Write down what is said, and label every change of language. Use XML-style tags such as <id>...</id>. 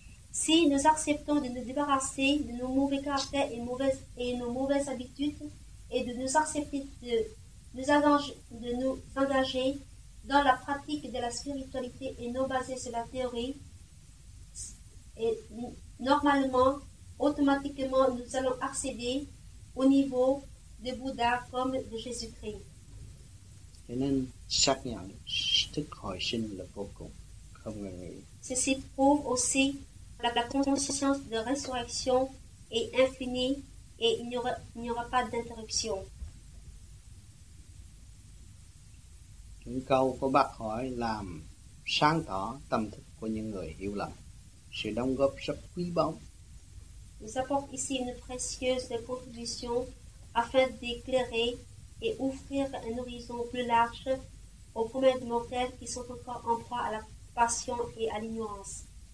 <fr>Si nous acceptons de nous débarrasser de nos mauvais caractères et nos mauvaises habitudes et de nous accepter de nous engager dans la pratique de la spiritualité et non basée sur la théorie, et normalement, automatiquement nous allons accéder au niveau de Bouddha comme de Jésus-Christ.</fr> <vi>Cho nên xác nhận thức hồi sinh là vô cùng, không ngừng nghỉ.</vi> <fr>Ceci prouve aussi que la conscience de résurrection est infinie et il n'y aura pas d'interruption.</fr> <vi>Những câu của bác hỏi làm sáng tỏ tâm thức của những người hiểu lầm. Sự đóng góp rất quý báu.</vi> <fr>Nous apportons ici une précieuse contribution afin d'éclairer et offrir un horizon plus large aux premiers mortels qui sont encore en proie à la passion et à l'ignorance.</fr>